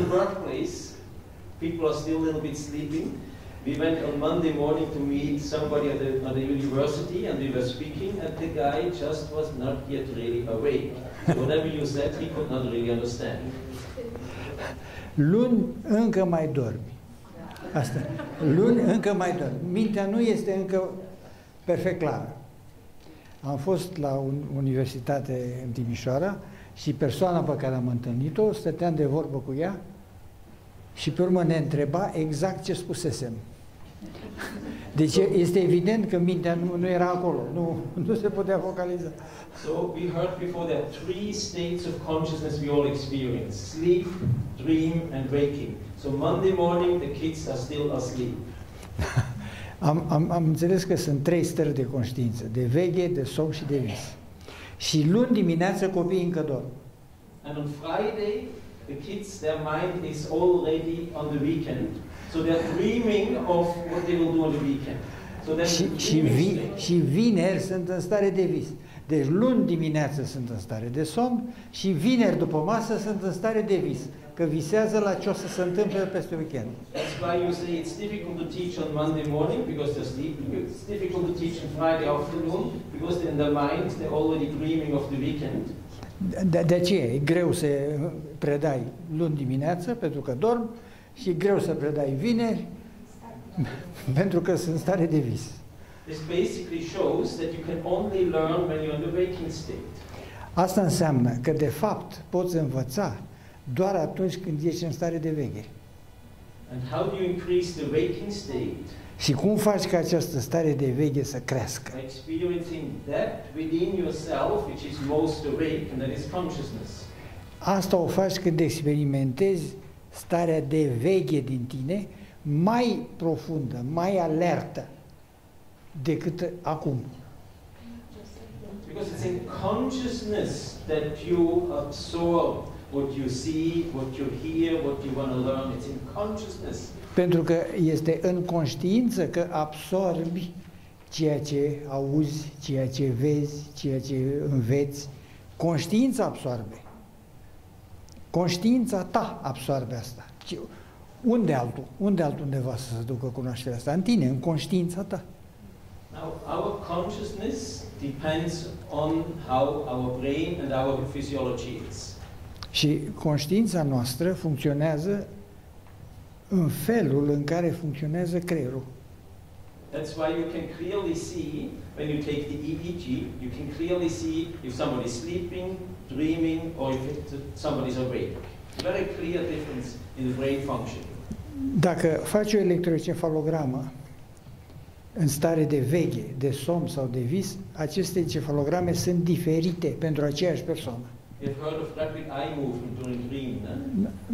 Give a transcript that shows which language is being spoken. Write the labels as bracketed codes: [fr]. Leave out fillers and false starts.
[en] Even workplace, people are still a little bit sleeping. We went on Monday morning to meet somebody at the university and we were speaking and the guy just was not yet really awake. So whatever you said, he could not really understand. [ro] Luni încă mai dormi. Asta. Luni încă mai dormi. Mintea nu este încă perfect clară. Am fost la universitate în Timișoara și persoana pe care am întâlnit-o, stăteam de vorbă cu ea și pe urmă ne întreba exact ce spusesem. Deci este evident că mintea nu era acolo, nu se putea focaliza. [en] So we heard before there are three states of consciousness we all experience: sleep, dream and waking. So Monday morning the kids are still asleep. [ro] Am înțeles că sunt trei stări de conștiință, de veche, de somn și de vis. Și luni dimineață copiii încă dorm. [en] And on Friday the kids, their mind is already on the weekend. So they are dreaming of what they will do on the weekend. So [ro] și vineri sunt în stare de vis. Deci luni dimineață sunt în stare de somn și vineri după masă sunt în stare de vis, că visează la ce o să se întâmple peste weekend. [en] That's why you say it's difficult to teach on Monday morning because they're sleeping. It's difficult to teach on Friday afternoon because in their minds they're already dreaming of the weekend. [ro] De ce? E greu să predai luni dimineață pentru că dorm și e greu să predai vineri pentru că sunt în stare de vis. [en] This basically shows that you can only learn when you're in the waking state. [ro] Asta înseamnă că de fapt poți învăța doar atunci când ești în stare de veche. [en] And how do you increase the waking state? [ro] Și cum faci ca această stare de veche să crească? [en] By experiencing that within yourself which is most awake, and that is consciousness. [ro] Asta o faci când experimentezi starea de veche din tine mai profundă, mai alertă decât acum. [en] Because it's in consciousness that you absorb what you see, what you hear, what you want to learn. It's in consciousness. [ro] Pentru că este în conștiință că absorbi ceea ce auzi, ceea ce vezi, ceea ce înveți. Conștiința absorbe. Conștiința ta absorbe asta. Unde altul? Unde altundeva să se ducă cunoașterea asta? În tine, în conștiința ta. [en] Now, our consciousness depends on how our brain and our physiology is. [ro] Și conștiința noastră funcționează în felul în care funcționează creierul. [en] That's why you can clearly see when you take the EEG, you can clearly see if somebody is sleeping, dreaming or if somebody is awake. Very clear difference in the brain function. [ro] Dacă faci o electroencefalogramă în stare de veche, de somn sau de vis, aceste encefalograme sunt diferite pentru aceeași persoană. [en] You've heard of rapid eye movement during dream, no?